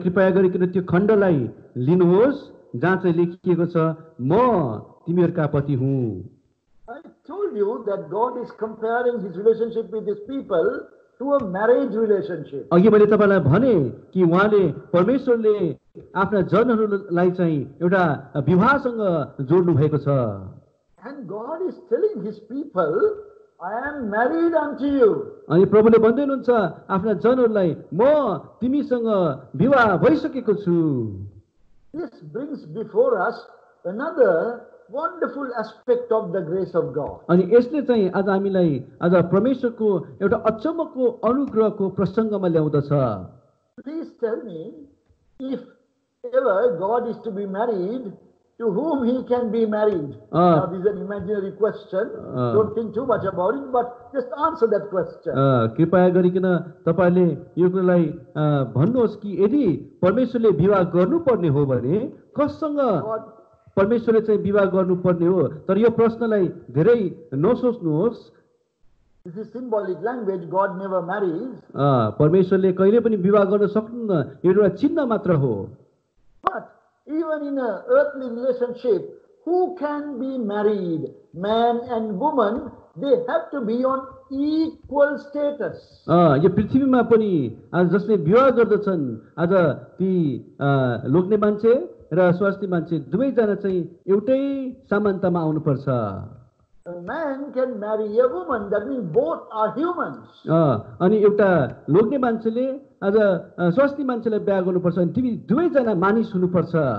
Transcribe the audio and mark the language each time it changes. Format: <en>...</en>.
<ne>कृपया गरिकन त्यो खण्डलाई लिनुहोस् जहाँ चाहिँ लेखिएको छ म तिमीहरूका पति हुँ.</ne> <en>I told you that God is comparing his relationship with his people to a marriage relationship.</en> <ne>अघि मैले तपाईँलाई भने कि उहाँले परमेश्वरले आफ्ना जनहरूलाई चाहिँ एउटा विवाहसँग जोड्नु भएको छ.</ne> <en>And God is telling his people, I am married unto you.</en> <ne>अनि प्रभुले भन्दै हुनुहुन्छ आफ्ना जनहरूलाई म तिमीसँग विवाह भइसकेको छु.</ne> <en>This brings before us another wonderful aspect of the grace of God.</en> <ne>अनि यसले चाहिँ आज हामीलाई आज परमेश्वरको एउटा अचम्मको अनुग्रहको प्रसंगमा ल्याउँदछ.</ne> <en>Please tell me, if ever God is to be married, to whom he can be married? Now, this is an imaginary question. Don't think too much about it, but just answer that question.</en> <ne>कृपया गरिकन तपाईले यो कुरालाई भन्नुहोस् कि यदि परमेश्वरले विवाह गर्नुपर्ने हो भने कससँग परमेश्वरले चाहिँ विवाह गर्नुपर्ने हो. तर यो प्रश्नलाई धेरै नसोच्नुहोस्.</ne> <en>This is symbolic language. God never marries.</en> <ne>परमेश्वरले कहिले पनि विवाह गर्न सक्नुहुन्न. यो एउटा चिन्ह मात्र हो.</ne> <en>But even in an earthly relationship, who can be married? Man and woman, they have to be on equal status.</en> <ne>यो पृथ्वीमा पनि आज जसले विवाह गर्दछन् आज ती लोग्ने मान्छे र स्वास्थ्य मान्छे दुवैजना चाहिँ एउटै समानतामा आउनुपर्छ.</ne> <en>Man can marry a woman, that means both are humans.</en> <ne>अनि एउटा लोग्ने मान्छेले आज स्वास्थ्य मान्छेलाई बिहा गर्नुपर्छ अनि तिमी दुवैजना मानिस हुनुपर्छ.</ne>